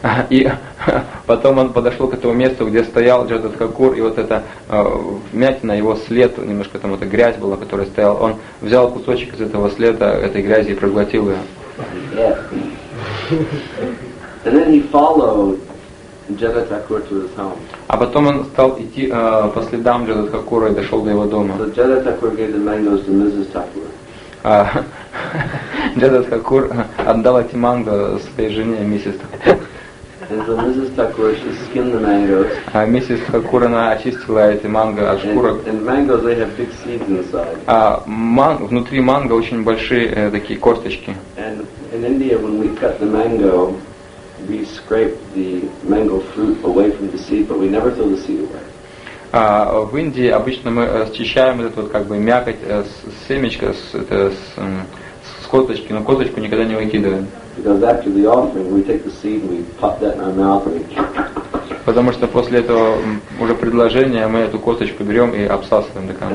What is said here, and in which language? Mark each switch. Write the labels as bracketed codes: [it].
[ru] И потом он подошел к этому месту, где стоял Джада Такур, и вот эта вмятина, его след, немножко там эта грязь была, которая стояла, он взял кусочек из этого следа, этой грязи, и проглотил ее. [en] And then he followed Jada Thakur to his home. [ru] А потом он стал идти по следам Джада Такура и дошел до его дома. [en] So Jada Thakur gave the mangoes to Mrs. Thakur. [ru] Jada Thakur отдал эти манго своей жене, миссис Такур. [en] And so Mrs. Thakur, she skinned the mangoes. [ru] А миссис Такур, она очистила эти манго от шкурок. [en] And mangoes, they have big seeds inside. [ru] А внутри манго очень большие такие косточки. [en] And in India, when we cut the mango, we scrape the mango fruit away from the seed, but we never throw the seed away. [ru] В Индии обычно мы счищаем этот вот как бы мякоть с семечка с косточки, но косточку никогда не выкидываем. [en] Because after the offering, we take the seed and we pop that in our mouth and [ru] потому что после этого уже предложения мы эту косточку берем и обсасываем до конца.